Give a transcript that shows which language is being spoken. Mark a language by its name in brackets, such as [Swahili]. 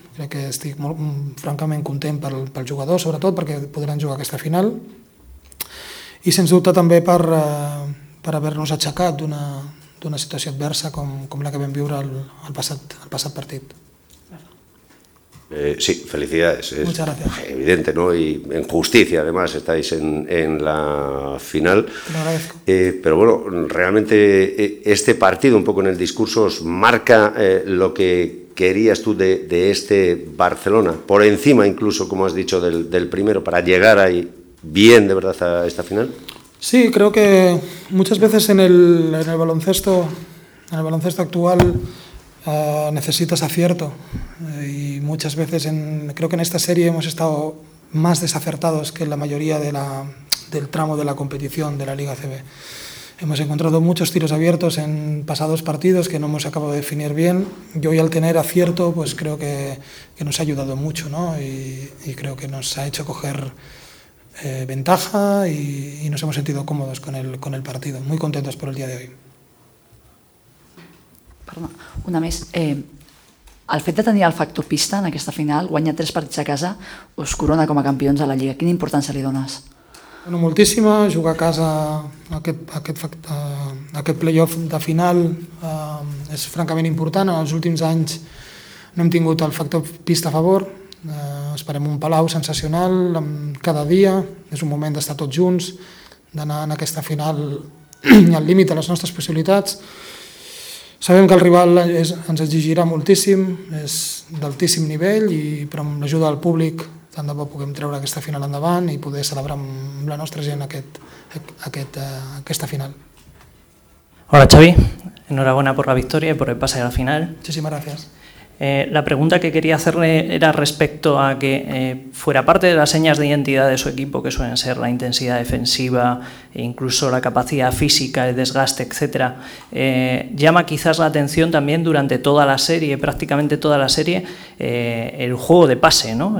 [Catalan] Crec que estic molt, francament content pel jugador, sobretot perquè podran jugar aquesta final. I sens dubte també per haver-nos aixecat d'una situació adversa com la que vam viure el passat partit. [Spanish] Sí, felicidades. Muchas gracias. Evidente, ¿no? Y en justicia, además, estáis en la final. Te lo agradezco. Pero bueno, realmente este partido, un poco en el discurso, os marca lo que querías tú de este Barcelona, por encima incluso, como has dicho, del primero, para llegar ahí bien de verdad a esta final. Sí, creo que muchas veces en el baloncesto actual necesitas acierto. Y muchas veces, creo que en esta serie hemos estado más desacertados que en la mayoría del tramo de la competición de la Liga CB. Hemos encontrado muchos tiros abiertos en pasados partidos que no hemos acabado de definir bien. Y hoy, al tener acierto, pues creo que nos ha ayudado mucho, ¿no? Y creo que nos ha hecho coger ventaja y nos hemos sentido cómodos con el partido. Muy contentos por el día de hoy. Perdón, una más. [Catalan] El fet de tenir el factor pista en aquesta final, guanyar 3 partits a casa, us corona com a campions de la Lliga. Quina importància li dones? Bueno, moltíssima. Jugar a casa aquest playoff de final és francament important. En els últims anys no hem tingut el factor pista a favor. esperem un Palau sensacional cada dia, és un moment d'estar tots junts, d'anar en aquesta final al límit de les nostres possibilitats. Sabem que el rival ens exigirà moltíssim, és d'altíssim nivell, però amb l'ajuda del públic tant de bo puguem treure aquesta final endavant i poder celebrar amb la nostra gent aquesta final. [Spanish] Hola Xavi, enhorabuena por la victoria y por el pase a la final. Muchísimas gracias. La pregunta que quería hacerle era respecto a que fuera parte de las señas de identidad de su equipo, que suelen ser la intensidad defensiva, incluso la capacidad física, el desgaste, etcétera, llama quizás la atención también durante toda la serie, prácticamente toda la serie, el juego de pase, ¿no?